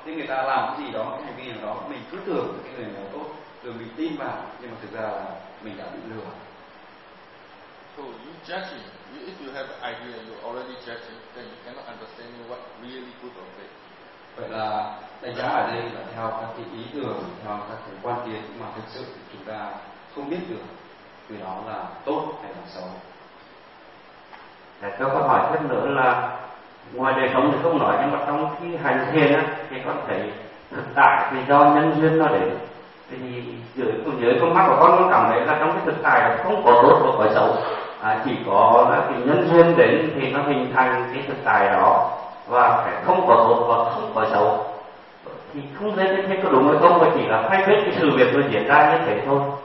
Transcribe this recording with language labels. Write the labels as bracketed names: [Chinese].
[Vietnamese] Nên người ta làm cái gì đó, cái hành vi nào đó, mình cứ tưởng cái người đó tốt rồi mình tin vào, nhưng mà thực ra là mình đã bị lừa. [English] So you judging, if you have an idea you already judging, then you cannot understand what really good or bad. [Vietnamese] Vậy là đánh giá ở đây là theo các cái ý tưởng, theo các cái quan kiến, mà thực sự chúng ta không biết được vì đó là tốt hay là xấu. Để cho câu hỏi thêm nữa là ngoài đời sống thì không nói, nhưng mà trong khi hành thiền á thì con thấy thực tại thì do nhân duyên nó để, thì dưới con mắt của con cảm thấy là trong cái thực tại không có tốt và có xấu, chỉ có là cái nhân duyên đến thì nó hình thành cái thực tại đó, và phải không có tốt và không có xấu, thì không thấy cái thế có đúng hay không, mà chỉ là thay thế cái sự việc nó diễn ra như thế thôi.